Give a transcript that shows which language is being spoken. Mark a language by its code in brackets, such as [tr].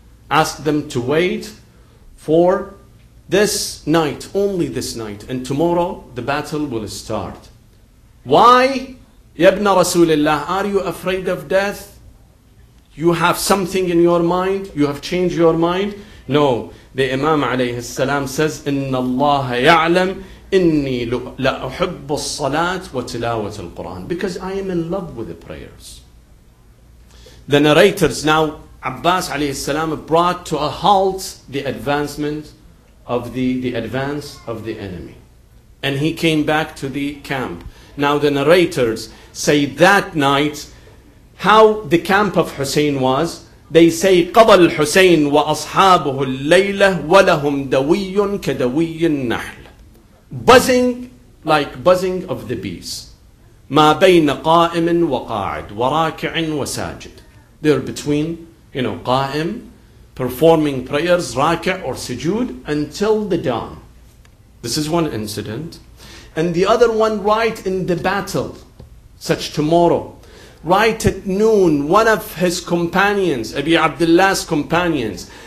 [en] Ask them to wait for this night, only this night. And tomorrow the battle will start. Why? [ar] يَبْنَ رَسُولِ اللَّهِ [en] Are you afraid of death? You have something in your mind? You have changed your mind? No. The Imam alayhi salam says [ar] إِنَّ اللَّهَ يَعْلَمْ إني لأحب الصلاة وتلاوة القرآن. [en] Because I am in love with the prayers. The narrators now, Abbas عليه السلام brought to a halt the advancement of the advance of the enemy. And he came back to the camp. Now the narrators say that night, how the camp of Hussein was, they say, [ar] قضى الحسين وأصحابه الليلة ولهم دوي كدوي النحل. [en] Buzzing like buzzing of the bees. [ar] ما بين قائم وقاعد وراكع وساجد. [en] They're between, you know, قائم, performing prayers, راكع or sujood, until the dawn. This is one incident. And the other one right in the battle, such tomorrow. Right at noon, one of his companions, Abi Abdullah's companions,